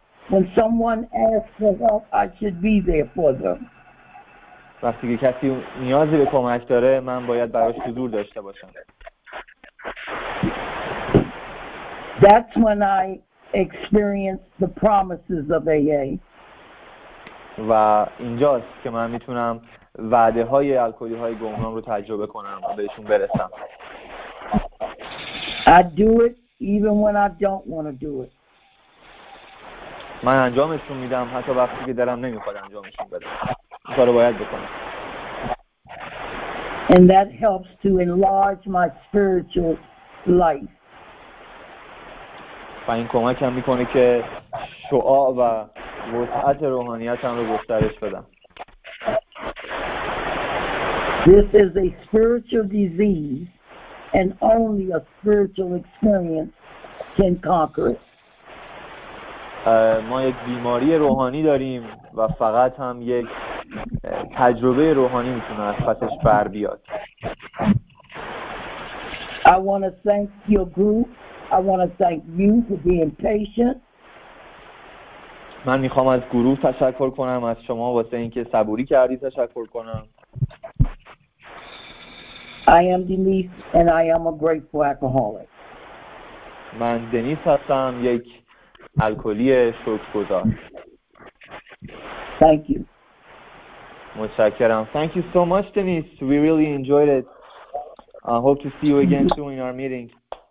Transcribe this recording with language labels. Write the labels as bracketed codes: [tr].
[en] When someone asks for help, I should be there for them. [fa] وقتی که کسی نیازی به کمک داره من باید براش حضور داشته باشم. [en] That's when I experience the promises of AA. [fa] و اینجاست که من میتونم وعده های الکلی های گمنام رو تجربه کنم و بهشون برسم. [en] I do it even when I don't want to do it. [fa] من انجامشون میدم حتی وقتی که دلم نمیخواد انجامشون بدم. این کارو باید بکنم. [en] And that helps to enlarge my spiritual life. [fa] و این کمکم میکنه که شعاع و وسعت روحانیتم رو گسترش بدم. [en] This is a spiritual disease and only a spiritual experience can conquer it. [fa] ما یک بیماری روحانی داریم و فقط هم یک تجربه روحانی میتونه از پسش بر بیاد. [en] I want to thank your group. I want to thank you for being patient. [fa] من میخوام از گروه تشکر کنم، از شما واسه اینکه صبوری کردی تشکر کنم. [en] I am Denise and I am a grateful alcoholic. [fa] من دنیس هستم، یک الکلی شکرگزار. [en] Thank you. [fa] متشکرم. [en] Thank you so much, Denise. We really enjoyed it. I hope to see you again soon in our meeting.